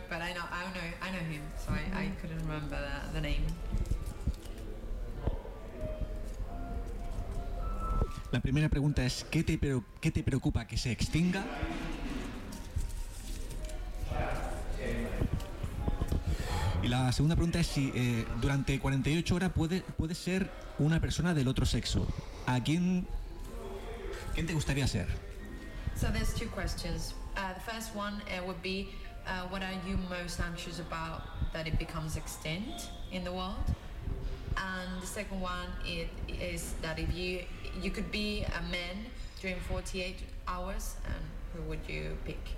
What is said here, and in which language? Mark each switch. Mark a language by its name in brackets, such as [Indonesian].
[English] But I know him, so I couldn't remember the name. [Spanish] La primera pregunta es ¿qué te preocupa que se extinga? Y la segunda pregunta es si durante 48 horas puede ser una persona del otro sexo. ¿A quién? ¿Quién te gustaría ser? [English] So there's two questions. The first one would be, what are you most anxious about that it becomes extinct in the world? And the second one is that if you could be a man during 48 hours, and who would you pick?